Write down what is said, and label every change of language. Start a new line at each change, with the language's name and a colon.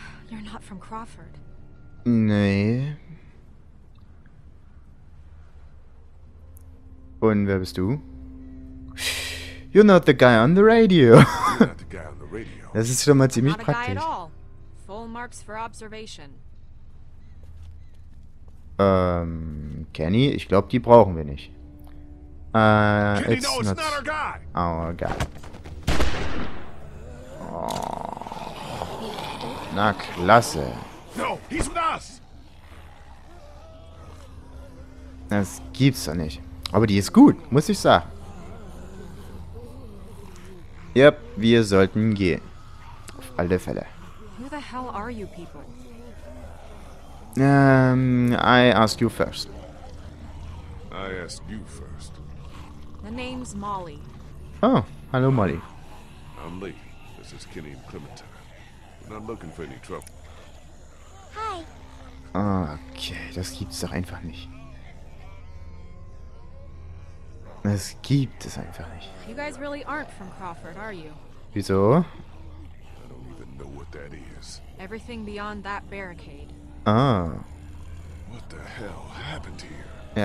English: You're not from Crawford.
German: Nee. Und wer bist du?
English: You're not the guy on the radio. You're not the guy on the radio.
German: Das ist schon mal ziemlich praktisch.
English: Not a guy at all. Full marks for observation.
German: Kenny, ich glaube, die brauchen wir nicht.
English: Kenny, it's, no, it's not our guy.
German: Oh, na klasse.
English: No, he's with us.
German: Das gibt's doch nicht. Aber die ist gut, muss ich sagen. Yep, wir sollten gehen. Auf alle Fälle.
English: Who the hell are you people? I ask you first. I ask you first. The name's Molly. Oh, hello Molly. I'm Lee. This is Kenny and Clementine. We're not looking for any trouble. Hi.
German: Okay, das gibt's doch einfach nicht. Das gibt es einfach nicht.
English: You guys really aren't from Crawford, are you?
German: Wieso?
English: I don't even know what that is. Everything beyond that barricade. Ah. What the hell happened here?